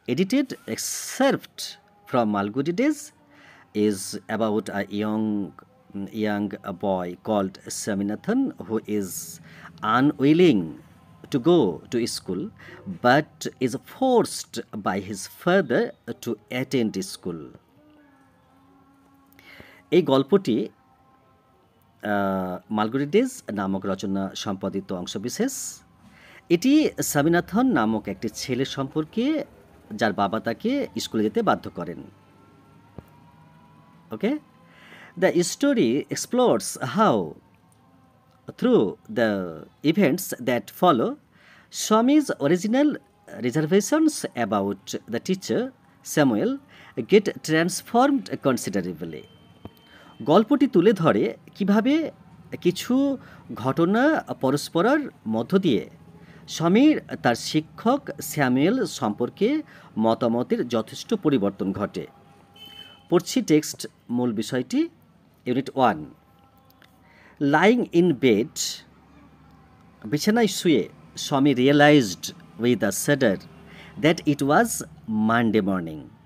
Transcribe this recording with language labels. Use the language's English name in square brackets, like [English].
[English] The story and edited excerpt from Malgudi Days is about a young boy called Swaminathan who is unwilling to go to school but is forced by his father to attend school. [Bangla] এই গল্পটি Malgudi days নামক রচনা সম্পাদিত অংশবিশেষ। এটি স্বামীনাথন নামক একটি ছেলে সম্পর্কে যার বাবা তাকে স্কুলে যেতে বাধ্য করেন, ওকে? [English] The story explores how, through the events that follow, Swami's original reservations about the teacher, Samuel, get transformed considerably. [Bangla] গল্পটি তুলে ধরে কিভাবে কিছু ঘটনা পরস্পরের মধ্য দিয়ে স্বামীর তার শিক্ষক স্যামুয়েল সম্পর্কে মতামতের যথেষ্ট পরিবর্তন ঘটে। পড়ছি টেক্সট মূল বিষয়টি। [English] Unit one. Lying in bed, [Bangla] বিছানায় শুয়ে স্বামী [English] Realised with a shudder that it was Monday morning.